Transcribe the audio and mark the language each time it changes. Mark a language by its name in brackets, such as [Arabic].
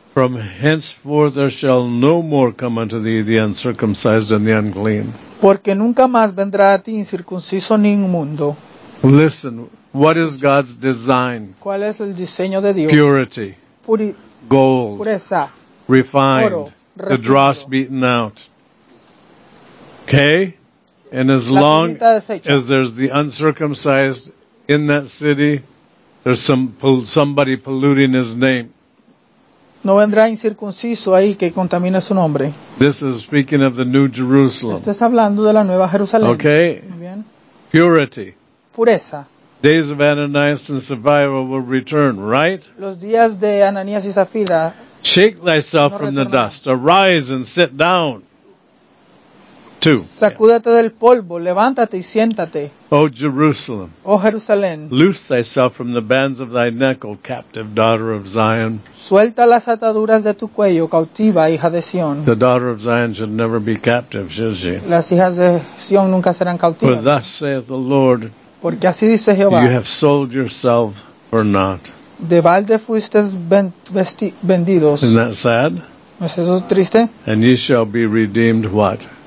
[English] From henceforth there shall no more come unto thee the uncircumcised and the unclean. [Spanish] Porque nunca más vendrá a ti incircunciso ni inmundo. [English] Listen, what is God's design? [Spanish] ¿Cuál es el diseño de Dios? [English] Purity. Gold. [Spanish] Pureza. [English] Refined. [Spanish] Oro, [English] the dross beaten out. Okay? And as long as there's the uncircumcised in that city, there's somebody polluting his name. [Spanish] No vendrá incircunciso ahí que contamine su nombre. [English] This is speaking of the New Jerusalem. [Spanish] Esto está hablando de la Nueva Jerusalén. [English] Okay? [Spanish] Bien. [English] Purity. [Spanish] Pureza. [English] Days of Ananias and Sapphira will return, right? [Spanish] Los días de Ananías y Zafira. [English] Shake thyself from the dust. Arise and sit down. [Spanish] Sacúdate del polvo, levántate y siéntate. [English] O Jerusalem. [Spanish] O Jerusalén. [English] Loose thyself from the bands of thy neck, O captive daughter of Zion. [Spanish] Suelta las ataduras de tu cuello, cautiva hija de Sion. [English] The daughter of Zion should never be captive, should she? [Spanish] Las hijas de Sion nunca serán cautivas. [English] For thus saith the Lord. [Spanish] Porque así dice Jehová. [English] You have sold yourself for naught. [Spanish] De balde fuiste vendidos. [English] Isn't that sad? [Spanish] ¿No es eso triste? [English] And you shall be redeemed what?